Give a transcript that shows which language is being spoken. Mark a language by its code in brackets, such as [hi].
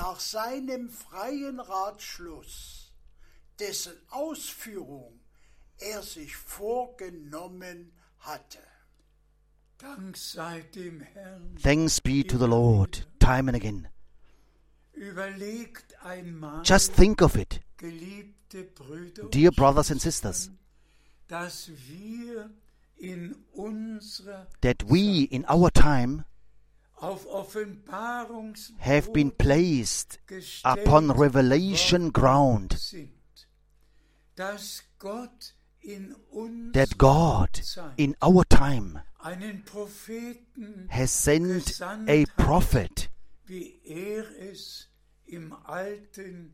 [de] Nach seinem freien Ratschluss, dessen Ausführung er sich vorgenommen hatte. Dank sei dem Herrn. [en] Thanks be to the Lord, time and again. [de] Überlegt einmal, [en] just think of it, [de] geliebte Brüder, [en] dear brothers and sisters, [de] dass wir in unserer [en] that we in our time [de] auf Offenbarungsboden [en] have been placed upon revelation ground. [de] Dass Gott in [en] that God in our time [de] einen Propheten [en] has sent a prophet [de] wie er es im Alten